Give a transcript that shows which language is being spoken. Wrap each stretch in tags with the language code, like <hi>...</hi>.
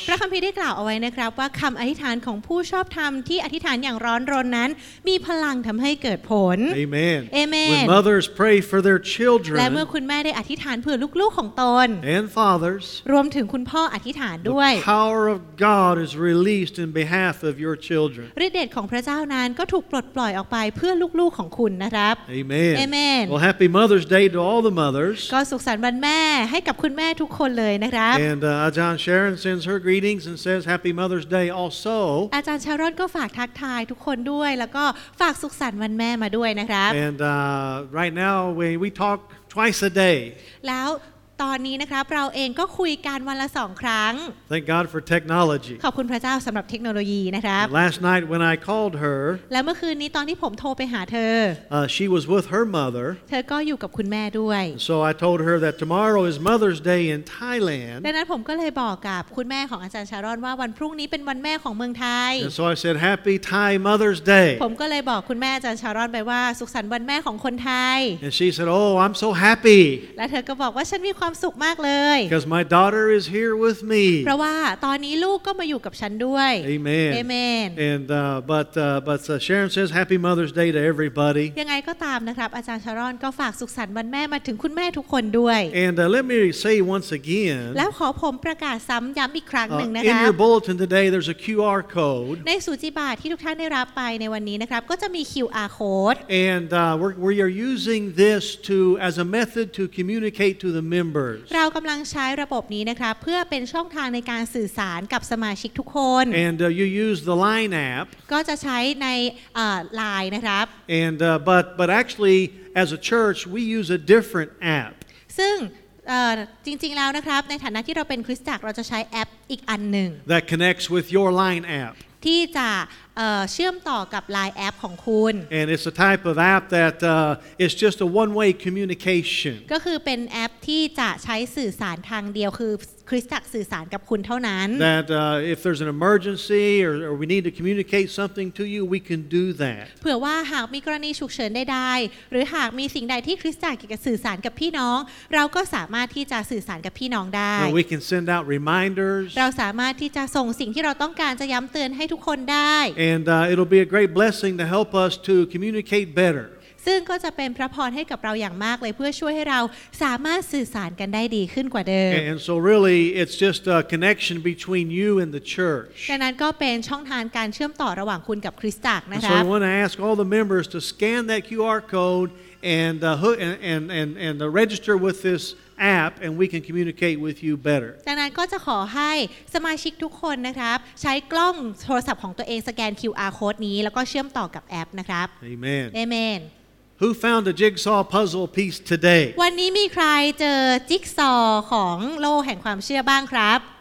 <th>พระคัมภีร์ได้กล่าวเอาไว้นะครับว่าคำอธิษฐานของผู้ชอบธรรมที่อธิษฐานอย่างร้อนรนนั้นมีพลังทำให้เกิดผล</th> <en>Amen. Amen. When mothers pray for their children.</en> <th>และเมื่อคุณแม่ได้อธิษฐานเพื่อลูกๆของตน</th> <en>And fathers.</en> <th>รวมถึงคุณพ่ออธิษฐานด้วย</th> <en>The power of God is released in behalf of your children.</en> <th>ฤทธิ์เดชของพระเจ้านั้นก็ถูกปลดปล่อยออกไปเพื่อลูกๆของคุณนะครับ</th> <en>Amen. Amen. Well, happy Mother's Day to all the mothers.</en> <th>ก็สุขสันต์วันแม่ให้กับคุณแม่ทุกคนเลยนะครับ</th> <en>And Ajahn Sharon sends her greetings and says Happy Mother's Day also</en> <th>อาจารย์ชารอนก็ฝากทักทายทุกคนด้วยแล้วก็ฝากสุขสันต์วันแม่มาด้วยนะครับ</th> <en>And right now we talk twice a day</en> <th>แล้วตอนนี้นะครับเราเองก็คุยกันวันละ2ครั้ง</th> <en>Thank God for technology</en> <th>ขอบคุณพระเจ้าสำหรับเทคโนโลยีนะครับ</th> <en>Last night when I called her</en> <th>และเมื่อคืนนี้ตอนที่ผมโทรไปหาเธอ</th> <en>she was with her mother</en> <th>เธอก็อยู่กับคุณแม่ด้วย</th> <en>So I told her that tomorrow is Mother's Day in Thailand</en> <th>ดังนั้นผมก็เลยบอกกับคุณแม่ของอาจารย์ชารอนว่าวันพรุ่งนี้เป็นวันแม่ของเมืองไทย</th> <en>And so I said Happy Thai Mother's Day</en> <th>ผมก็เลยบอกคุณแม่อาจารย์ชารอนไปว่าสุขสันต์วันแม่ของคนไทย</th> <en>And she said Oh I'm so happy</en> <th>และเธอก็บอกว่าฉันความสุขมากเลย</th> <en>Because my daughter is here with me</en> <th>เพราะว่าตอนนี้ลูกก็มาอยู่กับฉันด้วย</th> <en>Amen Amen And Sharon says Happy Mother's Day to everybody</en> <th>ยังไงก็ตามนะครับอาจารย์ชารอนก็ฝากสุขสันต์วันแม่มาถึงคุณแม่ทุกคนด้วย</th> <en>And let me say once again</en> <th>แล้วขอผมประกาศซ้ำย้ำอีกครั้งนึงนะครับ</th> <en>In your bulletin today there's a QR code</en> <th>ในสูจิบัตรที่ทุกท่านได้รับไปในวันนี้นะครับก็จะมี QR code</th> <en>And we are using this to as a method to communicate to the member</en> <th>เรากำลังใช้ระบบนี้นะครับเพื่อเป็นช่องทางในการสื่อสารกับสมาชิกทุกคน</th> <en>And you use the Line app</en> <th>ก็จะใช้ใน Line นะครับ</th> <en>And but actually as a church we use a different app</en> <th>ซึ่งจริงๆแล้วนะครับในฐานะที่เราเป็นคริสตจักรเราจะใช้แอปอีกอันหนึ่ง</th> <en>That connects with your Line app</en> <th>ที่จะเชื่อมต่อกับ Line app ของคุณ</th> <en>And it's a type of app that it's just a one-way communication</en> <th>ก็คือเป็นแอปที่จะใช้สื่อสารทางเดียวคือคริสตจักรสื่อสารกับคุณเท่านั้น</th> <en>That if there's an emergency or we need to communicate something to you we can do that</en> <th>เผื่อว่าหากมีกรณีฉุกเฉินใดๆหรือหากมีสิ่งใดที่คริสตจักรอยากจะสื่อสารกับพี่น้องเราก็สามารถที่จะสื่อสารกับพี่น้องได้</th> <en>We can send out reminders</en> <th>เราสามารถที่จะส่งสิ่งที่เราต้องการจะย้ำเตือนให้ทุกคนได้</th> <en>And it'll be a great blessing to help us to communicate better.</en> <th>ซึ่งก็จะเป็นพระพรให้กับเราอย่างมากเลยเพื่อช่วยให้เราสามารถสื่อสารกันได้ดีขึ้นกว่าเดิม</th> <en>And so really, it's just a connection between you and the church.</en> <th>ดังนั้นก็เป็นช่องทางการเชื่อมต่อระหว่างคุณกับคริสตจักรนะครับ</th> <en>So I want to ask all the members to scan that QR code and register with this app, and we can communicate with you better.</en> <th>ดังนั้นก็จะขอให้สมาชิกทุกคนนะครับใช้กล้องโทรศัพท์ของตัวเองสแกน QR code นี้แล้วก็เชื่อมต่อกับแอปนะครับ</th> <en>Amen. Amen. Who found a jigsaw puzzle piece today?</en> <th>วันนี้มีใครเจอจิ๊กซอของโลกแห่งความเชื่อบ้างครับ</th>